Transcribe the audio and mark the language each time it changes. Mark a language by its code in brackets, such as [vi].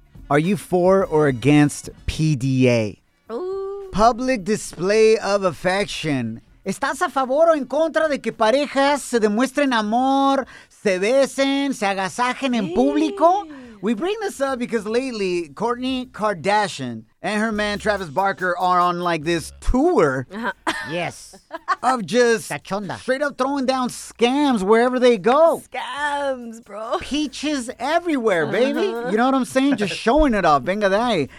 [en] Are you for or against PDA? Ooh. Public display of affection. [es] ¿Estás a favor o en contra de que parejas se demuestren amor, se besen, se agasajen en público? [en] We bring this up because lately, Kourtney Kardashian and her man, Travis Barker, are on like this tour. Yes. Of just [es] cachonda. [en] Straight up throwing down scams wherever they go. Scams, bro. Peaches everywhere, baby. Uh-huh. You know what I'm saying? Just showing it off. Venga day.